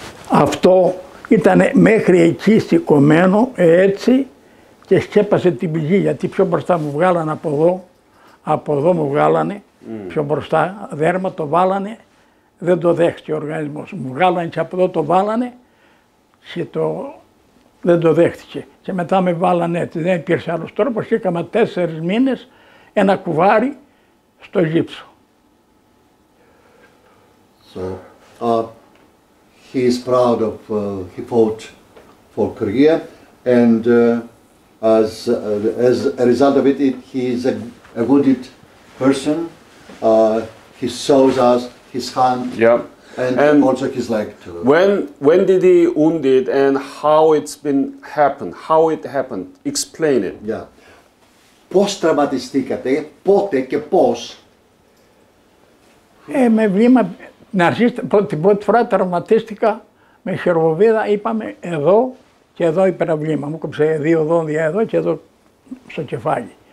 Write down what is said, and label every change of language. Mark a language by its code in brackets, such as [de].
[el] Αυτό ήταν μέχρι εκεί σηκωμένο, έτσι, και σκέπασε την πηγή, γιατί πιο μπροστά μου βγάλανε από εδώ μου βγάλανε, πιο μπροστά δέρμα, το βάλανε, δεν το δέχτηκε ο οργανισμός. Μου βγάλανε και από εδώ το βάλανε και το... δεν το δέχτηκε. Και μετά με βάλανε έτσι, δεν υπήρξε άλλος τρόπος, και είχαμε 4 μήνες ένα κουβάρι στο γύψο. [en] So, he is proud of, he fought for Korea, and as a result of it, he is a wounded person. He shows us his hand. Yeah. And also his leg too. When did he wounded and how it's been happened? How it happened? Explain it. Yeah. [el] Πώς τραυματιστήκατε, πότε και πώς? Με βήμα, την πρώτη φορά τραυματίστηκα με χειροβοβίδα, είπαμε εδώ και εδώ είπε ένα βήμα. Μου κόψε δύο δόντια εδώ και εδώ στο κεφάλι.